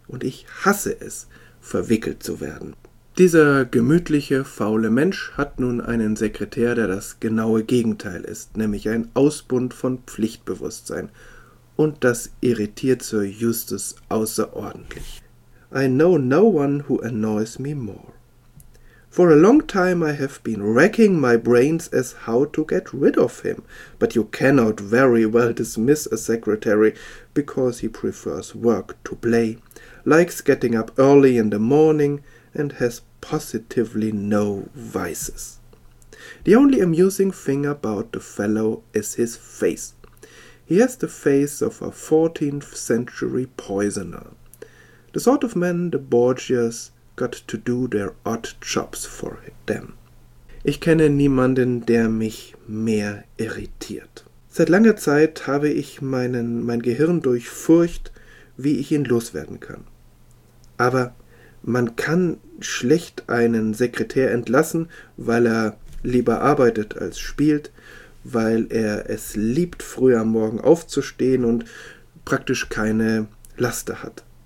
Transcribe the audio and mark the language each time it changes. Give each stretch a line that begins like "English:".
German: Und ich hasse es, verwickelt zu werden. Dieser gemütliche, faule Mensch hat nun einen Sekretär, der das genaue Gegenteil ist, nämlich ein Ausbund von Pflichtbewusstsein. und das irritiert Sir Justus außerordentlich.
English: I know no one who annoys me more. For a long time I have been racking my brains as how to get rid of him, but you cannot very well dismiss a secretary because he prefers work to play, likes getting up early in the morning, and has positively no vices. The only amusing thing about the fellow is his face. He has the face of a 14th century poisoner, the sort of man the Borgias got to do their odd jobs for them.
German: Ich kenne niemanden, der mich mehr irritiert. Seit langer Zeit habe ich mein Gehirn durch Furcht, wie ich ihn loswerden kann. Aber man kann schlecht einen Sekretär entlassen, weil er lieber arbeitet als spielt, weil er es liebt, früh am Morgen aufzustehen und praktisch keine Laster hat.